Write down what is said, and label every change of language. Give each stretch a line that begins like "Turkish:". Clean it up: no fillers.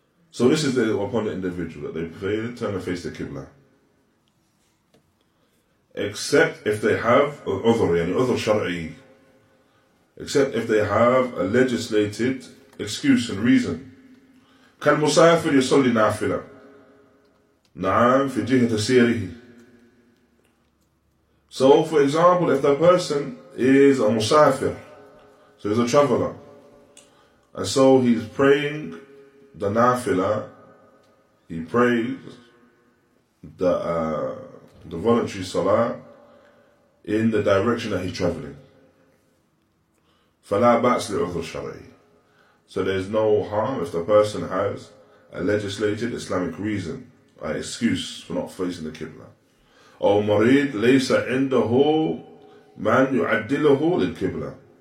English: So this is upon the individual, that they pray, turn and face the Qibla. Except if they have an udhr, yani udhr shar'i. Except if they have a legislated excuse and reason.
Arabic: كان مسافر يصلي نافلة نعم في جهة سيره.
English: So for example, if that person is a مسافر, so he's a traveler, and so he's praying the نافلة, he prays the voluntary salah in the direction that he's traveling.
Arabic: فلا بأس لعذر شرعي.
English: So there's no harm if the person has a legislated Islamic reason, an excuse for not facing the Qibla.
Arabic: أو مريد ليس عنده من يعدله للقبلة.